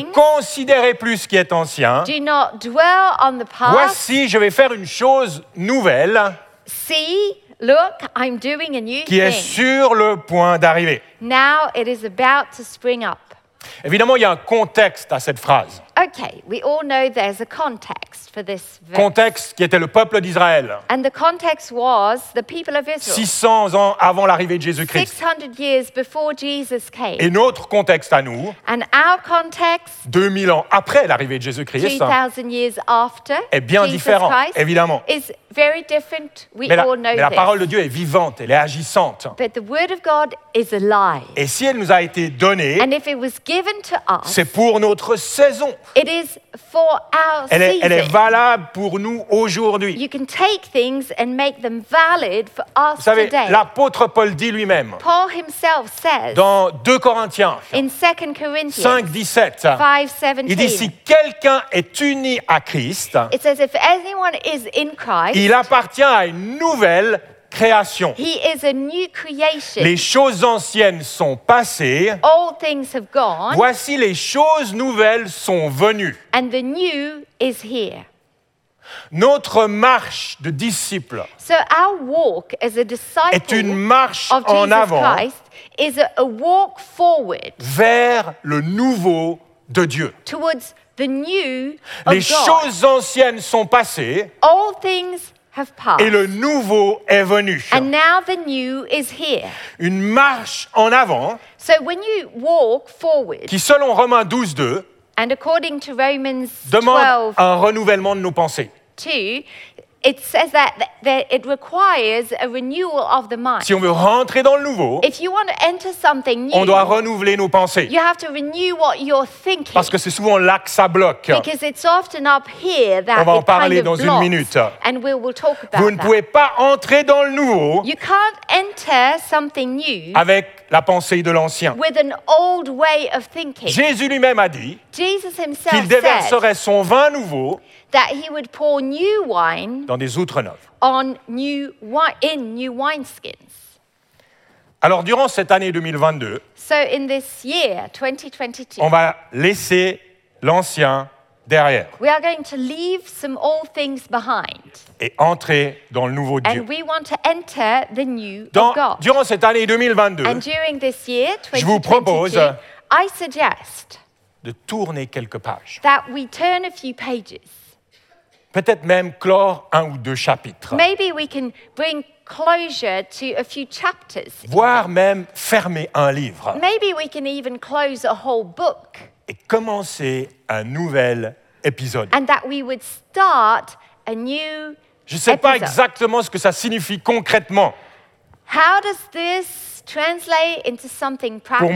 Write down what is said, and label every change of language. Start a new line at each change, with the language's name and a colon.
French: Ne considérez plus ce qui est ancien.
English: Do not dwell on the past.
French: Voici, je vais faire une chose nouvelle.
English: See, look, I'm doing a new
French: qui est sur le point d'arriver.
English: Now it is about to spring up.
French: Évidemment, il y a un contexte à cette phrase.
English: Okay, we all know there's a context for this verse.
French: Context qui était le peuple d'Israël.
English: And the context was the people of Israel.
French: 600 ans avant l'arrivée de Jésus-Christ.
English: 600 years before Jesus came.
French: Et notre contexte à nous.
English: And our context.
French: 2000 ans après l'arrivée de Jésus-Christ.
English: 2000 years after.
French: Est bien
English: Jesus
French: différent,
English: Christ,
French: évidemment.
English: Is very different. We
French: mais
English: all know
French: mais
English: this.
French: La parole de Dieu est vivante, elle est agissante.
English: But the word of God is alive.
French: Et si elle nous a été donnée.
English: And if it was given to us.
French: C'est pour notre saison.
English: It is for our season.
French: Elle est valable pour nous aujourd'hui.
English: You can take things and make them valid for us
French: Vous savez,
English: today.
French: L'apôtre Paul dit lui-même.
English: Paul himself says.
French: Dans 2 Corinthiens.
English: In 2 Corinthians.
French: 5:17. Il dit si quelqu'un est uni à Christ.
English: It says if anyone is in Christ.
French: Il appartient à une nouvelle création.
English: He is a new creation.
French: Les choses anciennes sont passées.
English: All things have gone.
French: Voici les choses nouvelles sont venues.
English: And the new is here.
French: Notre marche de disciple.
English: So our walk as a disciple
French: est une marche
English: of Jesus
French: en avant
English: Christ is a walk forward.
French: Vers le nouveau de Dieu.
English: Towards the new of
French: les
English: God.
French: Choses anciennes sont passées.
English: All things have passed.
French: Et le nouveau est venu.
English: And now the new is here.
French: Une marche en avant.
English: So when you walk forward.
French: Qui selon Romains 12:2.
English: And according to Romans 12.
French: Demande un renouvellement de nos pensées.
English: 2. It says that it requires a renewal of the mind.
French: Si on veut rentrer dans le nouveau,
English: if you want to enter something new,
French: on doit renouveler nos pensées.
English: You have to renew what you're thinking.
French: Parce que c'est souvent là que ça bloque.
English: Because it's often up here that
French: on va
English: it
French: en parler
English: kind of
French: dans
English: blocks,
French: une minute.
English: And we will talk about
French: Vous
English: that.
French: Ne pouvez pas entrer dans le nouveau.
English: You can't enter something new.
French: Avec la pensée de l'ancien.
English: With an old way of thinking.
French: Jésus lui-même a dit
English: Jesus himself
French: qu'il déverserait
English: said,
French: son vin nouveau.
English: That he would pour new wine
French: dans des outres neuves.
English: On new wine, in new wineskins.
French: Alors durant cette année 2022,
English: so in this year, 2022,
French: on va laisser l'ancien derrière.
English: We are going to leave some old things behind.
French: Et entrer dans le nouveau Dieu.
English: And we want to enter the new
French: dans,
English: of God.
French: Durant cette année 2022,
English: and during this year, 2022,
French: je vous propose,
English: I suggest
French: de tourner quelques pages.
English: That we turn a few pages.
French: Peut-être même clore un ou deux chapitres.
English: Maybe we can bring closure to a few chapters.
French: Voire même fermer un livre.
English: Maybe we can even close a whole book.
French: Et commencer un nouvel épisode.
English: And that we would start a new episode.
French: Je ne sais pas exactement ce que ça signifie concrètement.
English: How does this translate into something practical.